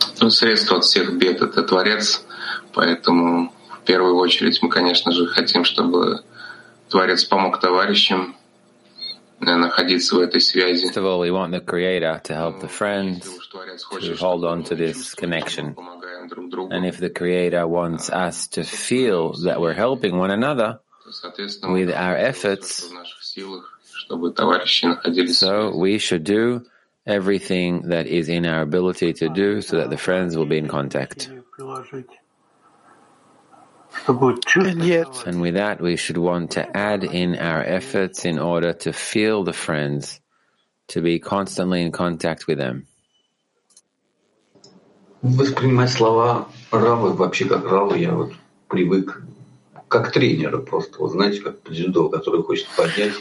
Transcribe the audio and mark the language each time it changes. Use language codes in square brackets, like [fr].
[ru] Средство от всех бед — это Творец, поэтому в первую очередь мы, конечно же, хотим, чтобы Творец помог товарищам находиться в этой связи. [en] First of all, we want the Creator to help the friends to hold on to this connection. And if the Creator wants us to feel that we're helping one another with our efforts, so we should do everything that is in our ability to do so that the friends will be in contact. And with that, we should want to add in our efforts in order to feel the friends, to be constantly in contact with them. [ru] воспринимать слова Равы вообще как Равы, я вот привык как тренера просто, вот знаете, как дзюдо, который хочет поднять